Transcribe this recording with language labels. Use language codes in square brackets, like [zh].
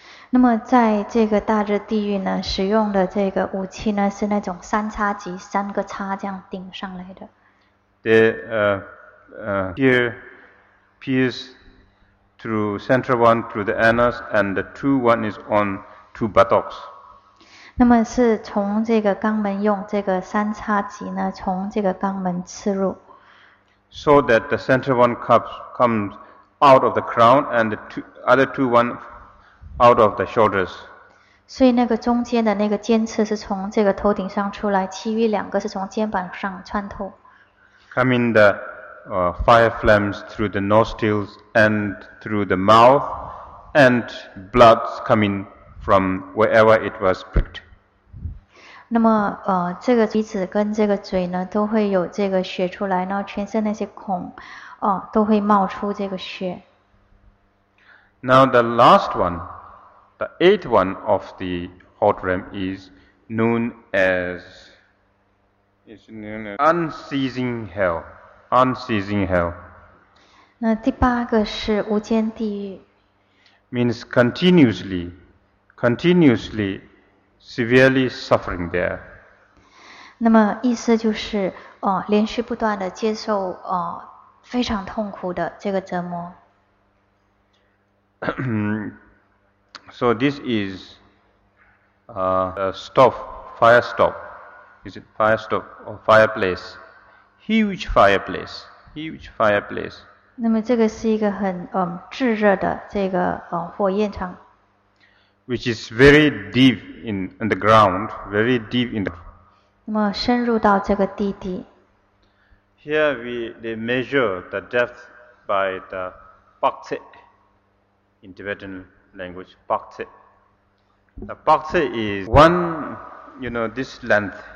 [zh] 那么在这个大热地狱呢，使用的这个武器呢，是那种三叉戟，三个叉这样顶上来的。 [en] The spear pierced through central one through the anus, and the two one is on two buttocks. [zh] 那么是从这个肛门用这个三叉戟呢，从这个肛门刺入。 [en] So that the central one comes out of the crown, and the other two one out of the shoulders. [zh] 所以那个中间的那个尖刺是从这个头顶上出来，其余两个是从肩膀上穿透。 [en] Coming the fire flames through the nostrils and through the mouth, and blood coming. From wherever it was pricked. [zh] 那么，这个鼻子跟这个嘴呢，都会有这个血出来，然后全身那些孔，都会冒出这个血。 [en] Now the last one, the eighth one of the hot realm is known as unceasing hell, unceasing hell. [zh] 那第八个是无间地狱。 [en] Means continuously. Continuously, severely suffering there. [zh] 那么意思就是，连续不断的接受，非常痛苦的这个折磨。 [en] So this is, a stove, fire stove. Is it fire stove or fireplace? Huge fireplace. Huge fireplace. [zh] 那么这个是一个很炙热的这个火焰场。 [en] Which is very deep in the ground, very deep in the. [zh] 那么深入到这个地底。 [en] Here they measure the depth by the bakse. In Tibetan language, bakse. The bakse is one, you know, this length.